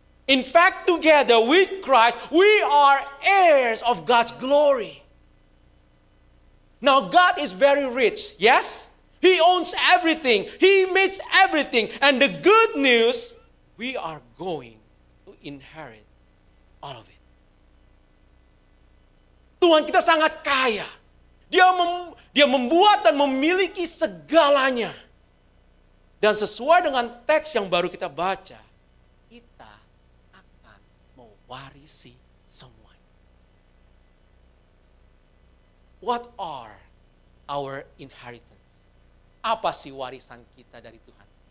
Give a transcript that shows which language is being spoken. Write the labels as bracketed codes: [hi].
[en] In fact, together with Christ, we are heirs of God's glory. Now, God is very rich, yes? He owns everything. He makes everything. And the good news, we are going to inherit all of it. [id] Tuhan kita sangat kaya. Dia membuat dan memiliki segalanya. Dan sesuai dengan teks yang baru kita baca, kita akan mewarisi semuanya. [en] What are our inheritance? [id] Apa sih warisan kita dari Tuhan?